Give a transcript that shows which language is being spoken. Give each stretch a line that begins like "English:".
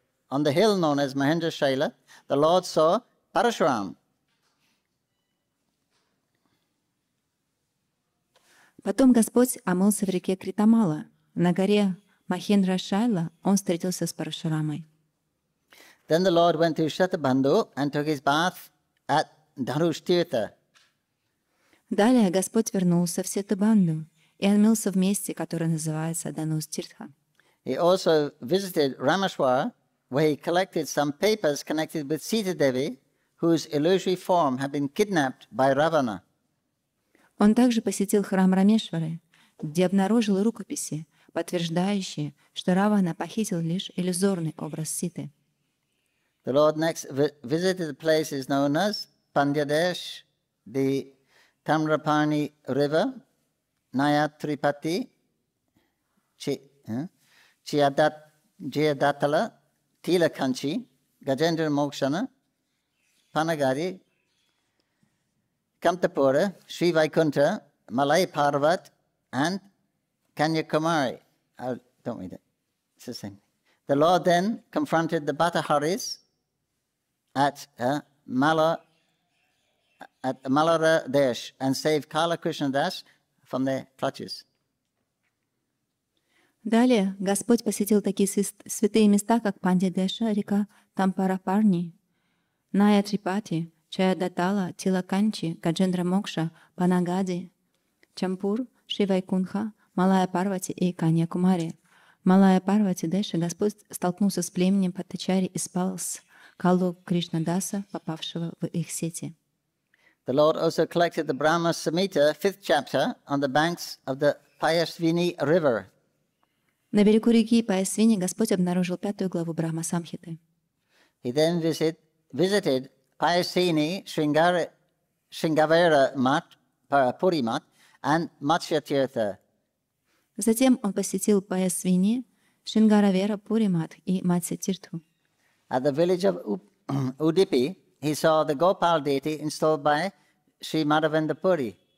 English: On the hill known as Mahendra Shaila, the Lord saw Parashuram.
Russian: Потом Господь омылся в реке Критамала. На горе Махендра-Шайла Он встретился с Парашурамой.
English: Then the Lord went to Shatabandhu and took His bath at Dharushtirtha.
Russian: Далее Господь вернулся в Сетабанду и омылся в месте, которое называется Дарустиртха.
English: He also visited Rameshwar, where he collected some papers connected with Sita Devi, whose illusory form had been kidnapped by Ravana.
Russian: Он также посетил храм Рамешвары, где обнаружил рукописи, подтверждающие, что Равана похитил лишь иллюзорный образ Ситы.
English: The Lord next visited the places known as Pandyadesh, the Tamrapani River, Nayatripati, Chiyadatala, Tilakanchi, Gajendra Mokshana, Panagari, Kamtapura, Sri Vaikuntha, Malai Parvat, and Kanyakumari. Don't read it. It's the same. The Lord then confronted the Bataharis at Malara Desh and saved Kala Krishna Das from their clutches.
Russian: Далее Господь посетил такие святые места, как Пандидеша, река Тампарапарни, Найатрипати, Чаядатала, Тилаканчи, Гаджендра Мокша, Панагади, Чампур, Шивайкунха, Малая Парвати и Канья Кумари. Малая Парвати Деша Господь столкнулся с племенем Паттачари и спал с Калу Кришна Даса, попавшего в их сети.
English: The Lord also collected the Brahma Samhita, 5th chapter, on the banks of the Payasvini River.
Russian: На берегу реки Паясвини Господь обнаружил пятую главу Брахма Самхиты.
English: He then visited Паясвини, Шрингавера Мат, Парапури Мат, and Матхья-тирта.
Russian: Затем он посетил Паясвини, Шрингавера Пури Мат и Матхья-тирту.
English: At the village of Udipi, he saw the Gopal deity installed by Sri Madhavendra Puri.